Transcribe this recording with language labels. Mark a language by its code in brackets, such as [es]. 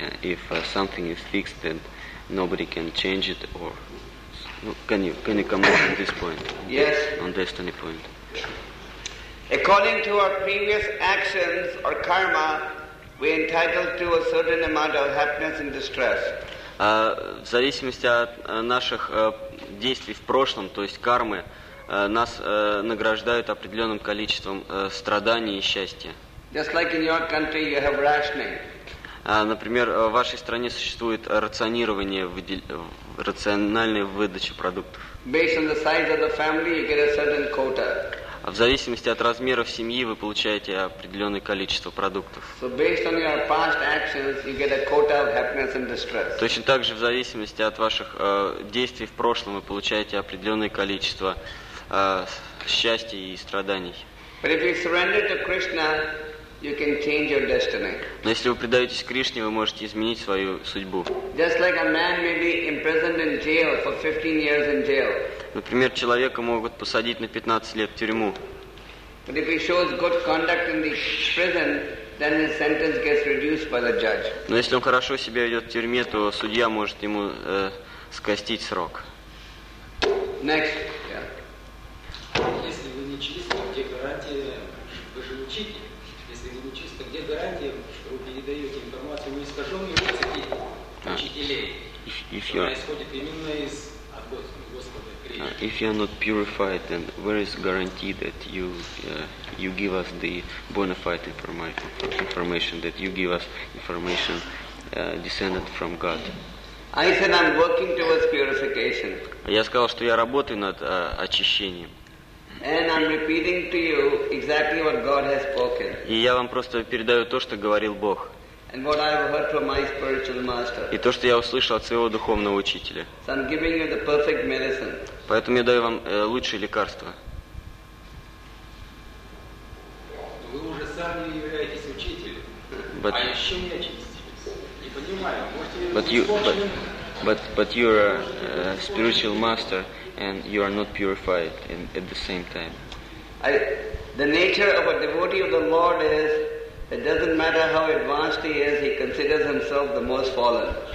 [en] If something is fixed, then nobody can change it. Or can you come on this point? Yes. On destiny point. According to our previous actions or karma, we are entitled to a certain amount of happiness and distress. [ru] В зависимости от наших действий в прошлом, то есть кармы. Нас награждают определенным количеством страданий и счастья. [en] Just like in your country, you have rationing. [ru] Например, в вашей стране существует рационирование, рациональная выдача продуктов. [en] Based on the size of the family, you get a certain quota. [ru] В зависимости от размеров семьи вы получаете определенное количество продуктов. [en] So based on your past actions, you get a quota of happiness and distress. [ru] Точно так же в зависимости от ваших действий в прошлом вы получаете определенное количество счастья и страданий. [en] But if you surrender to Krishna, you can change your destiny. [ru] Но если вы предаетесь Кришне, вы можете изменить свою судьбу. [en] Just like a man may be imprisoned in jail for 15 years in jail. [ru] Например, человека могут посадить на 15 лет в тюрьму. [en] But if he shows good conduct in the prison, then his sentence gets reduced by the judge. [ru] Но если он хорошо себя ведет в тюрьме, то судья может ему скостить срок. [en] Next. [ru] Если вы не чисты, где гарантия, вы же учитель. Если вы не чисты, где гарантия, что вы передаете информацию в искаженные языки учителей, что происходит именно из Господа Кришны. [en] If you are not purified, then where is guarantee that you give us the bona fide information, that you give us information descended from God? I said I'm working towards purification. [ru] Я сказал, что я работаю над очищением. [en] And I'm repeating to you exactly what God has spoken. [ru] И я вам просто передаю то, что говорил Бог. [en] And what I have heard from my spiritual master. [ru] И то, что я услышал от своего духовного учителя. [en] So I'm giving you the perfect medicine. [ru] Поэтому я даю вам лучшее лекарство. Вы уже сами являетесь учителем, а еще не очистились. Не понимаю, можете [en] But you're a spiritual master. And you are not purified in, at the same time. The nature of a devotee of the Lord is, it doesn't matter how advanced he is, he considers himself the most fallen.